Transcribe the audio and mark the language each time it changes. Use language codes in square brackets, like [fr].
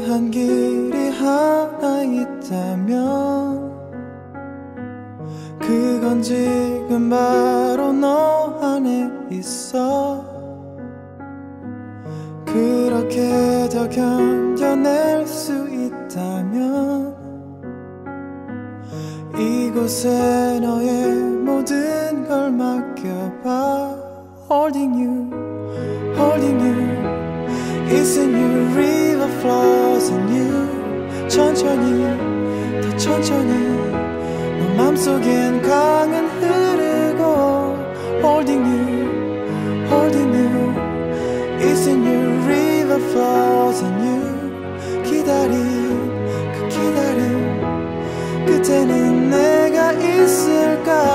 [ko] 길이 하나 있다면 그건 지금 바로 너 안에 있어. 그렇게 더 견뎌낼 수 있다면 이곳에 너의 모든 걸 맡겨봐. [en] Holding you, holding you, it's a new river flows in you. [ko] 천천히, 더 천천히, 너 맘속엔 강은 흐르고. [en] Holding you, holding you, it's a new river flows in you. [ko] 기다림, 그 기다림, 끝에는 내가 있을까.